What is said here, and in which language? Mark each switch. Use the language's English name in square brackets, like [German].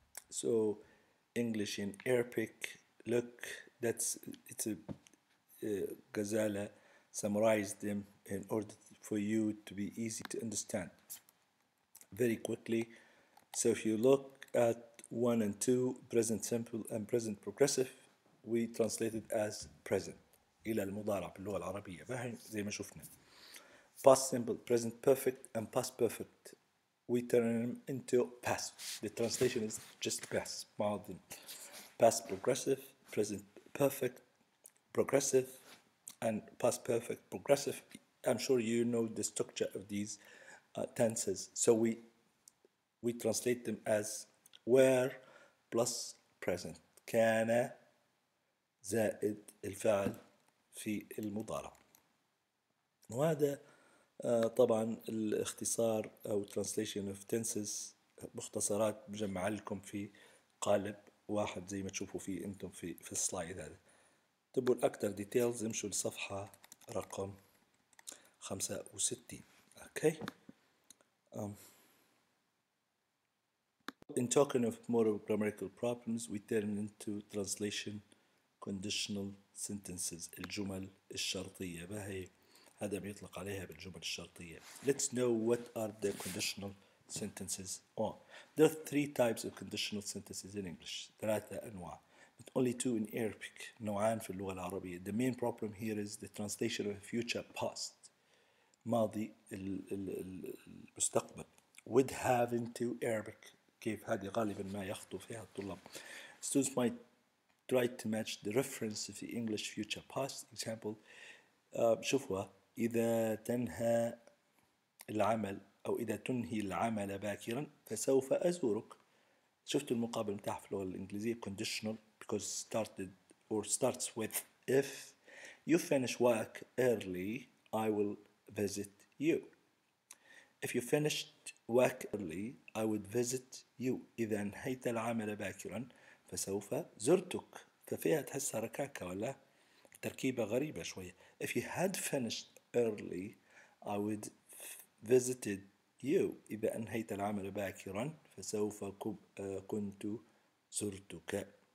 [English] So English and Arabic look, it's a Ghazala summarized them in order for you to be easy to understand very quickly. So if you look at 1 and 2, present simple and present progressive, we translated as present. [Arabic] إلى المضارع باللغة العربية زي ما شفنا. [English] Past simple, present perfect, and past perfect, we turn them into past. The translation is just past, more than past progressive, present perfect, progressive, and past perfect progressive. I'm sure you know the structure of these tenses. So we translate them as were plus present. [Arabic] كان زائد الفعل في المضارع. وهذا طبعا الاختصار أو [English] translation of tenses, [Arabic] مختصرات بجمع لكم في قالب واحد زي ما تشوفوا في أنتم في السلايد هذا. تبوا الأكثر details امشوا لصفحة رقم 65. [English] Okay. In talking of more of grammatical problems, we turn into translation conditional sentences, [Arabic] الجمل الشرطية. بهي هذا بيطلق عليها بالجمل الشرطية. [English] Let's know what are the conditional sentences on. There are three types of conditional sentences in English. [Arabic] ثلاثة أنواع. [English] But only two in Arabic. [Arabic] نوعان في اللغة العربية. [English] The main problem here is the translation of future past. [Arabic] ماضي المستقبل. [English] With have into Arabic. [Arabic] كيف هذه غالبا ما يخطو فيها الطلاب. [English] Students might try to match the reference of the English future past. Example. شوفوها. [Arabic] إذا تنهى العمل أو إذا تنهي العمل باكرا فسوف أزورك. شفت المقابل متاعها في اللغة الإنجليزية [English] conditional because started or starts with if you finish work early I will visit you. If you finished work early I would visit you. [Arabic] إذا انهيت العمل باكرا فسوف زرتك. ففيها تحسها ركاكة ولا تركيبة غريبة شوية. [English] If you had finished early, I would visited you. [Arabic] إذا أنهيت العمل باكرا فسوف كنت زرتك.